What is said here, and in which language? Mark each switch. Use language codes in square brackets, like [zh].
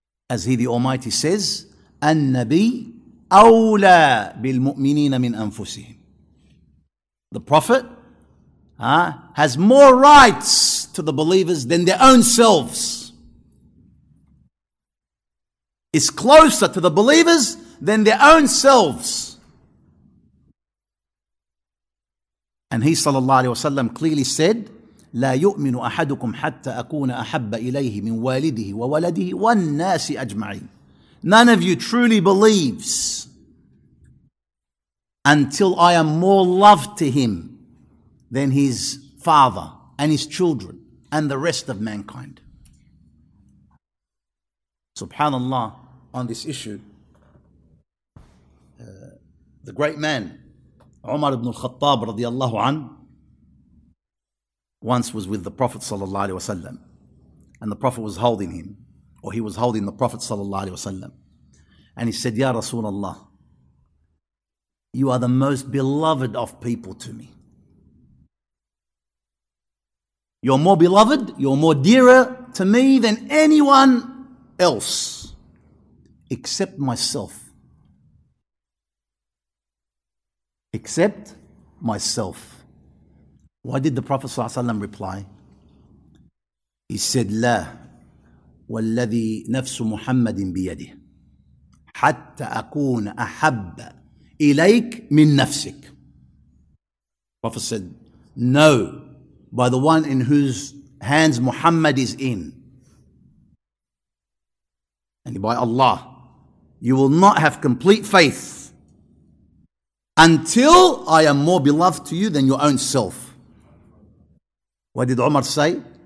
[en] As He the Almighty says, [ar] النبي أولى بالمؤمنين من أنفسهم. [en] The Prophet has more rights to the believers than their own selves. Is closer to the believers than their own selves. And he sallallahu alayhi wa sallam clearly said, [ar] لا يؤمن أحدكم حتى أكون أحب إليه من والده وولده والناس أجمعين. [en] None of you truly believes until I am more loved to him than his father and his children and the rest of mankind. Subhanallah, on this issue, the great man, Umar ibn al-Khattab radiallahu anhu, once was with the Prophet sallallahu alayhi wa sallam, and the Prophet was holding him, or he was holding the Prophet sallallahu alayhi wa sallam. And he said, Ya Rasulullah, you are the most beloved of people to me. You're more beloved, you're more dearer to me than anyone else, except myself. Except myself. Why did the Prophet ﷺ reply? He said, [ar] La, والذي نفس محمد بيده. حتى أكون أحب إليك من نفسك. [en] Prophet said, no, by the one in whose hands Muhammad is in, and by Allah, you will not have complete faith until I am more beloved to you than your own self. What did Umar say?